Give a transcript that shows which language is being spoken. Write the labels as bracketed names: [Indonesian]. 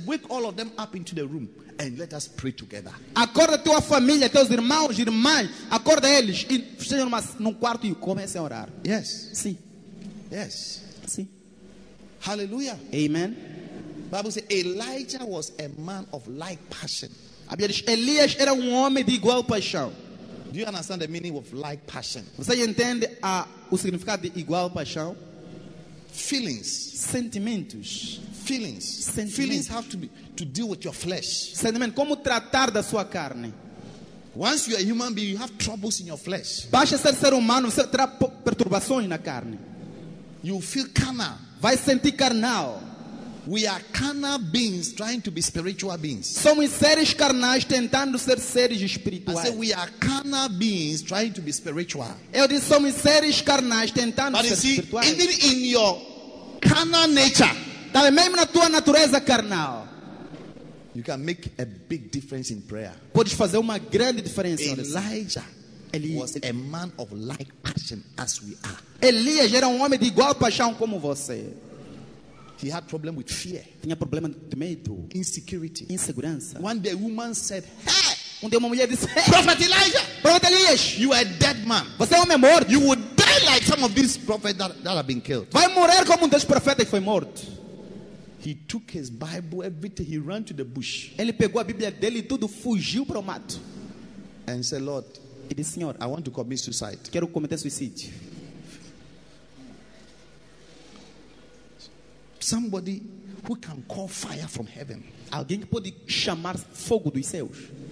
[English] Wake all of them up into the room and let us pray together. [Portuguese] Acorda tua família, teus irmãos, irmãs. Acorda eles e sejam num quarto e comecem a orar. [English] Yes. [Portuguese] Sim. [English] Yes. [Portuguese] Sim. [English] Hallelujah. Amen. Bible says Elijah was a man of like passion. [Portuguese] A Bíblia diz, Elias era homem de igual paixão. [English] Do you understand the meaning of like passion? [Portuguese] Você entende o significado de igual paixão? [English] Feelings. [Portuguese] Sentimentos. [English] Feelings. [Portuguese] Sentimentos. [English] Feelings have to deal with your flesh. [Portuguese] Sentimento. Como tratar da sua carne? [English] Once you are a human being, you have troubles in your flesh. [Portuguese] Basta ser humano, você terá perturbações na carne. [English] You feel carnal. [Portuguese] Vai sentir carnal. [English] We are carnal beings trying to be spiritual beings. [Portuguese] Somos seres carnais tentando ser seres espirituais. [English] I say we are carnal beings trying to be spiritual. [Portuguese] Eu disse somos seres carnais tentando ser espirituais. [English] But you see, in your carnal nature, [Portuguese] mesmo na tua natureza carnal, [English] you can make a big difference in prayer. [Portuguese] Podes fazer uma grande diferença. [English] Elijah was a man of like passion as we are. [Portuguese] Elias era homem de igual paixão como você. [English] He had problem with fear. [Portuguese] Tinha problema de medo. [English] Insecurity. [Portuguese] Insegurança. [English] One day a woman said, "Hey." [Portuguese] Um dia uma mulher disse, "Hey." [English] Prophet Elijah. Prophet Elias. You are a dead man. [Portuguese] Você é homem morto. [English] You would die like some of these prophets that have been killed. [Portuguese] Vai morrer como um desses profetas que foi morto. [English] He took his Bible, everything. He ran to the bush. [Portuguese] Ele pegou a Bíblia dele e tudo, fugiu para o mato. [English] And said, "Lord." [Portuguese] E disse, "Senhor." [English] I want to commit suicide. [Portuguese] Quero cometer suicídio. [English] Somebody who can call fire from heaven. [Portuguese] Alguém que pode chamar fogo dos céus.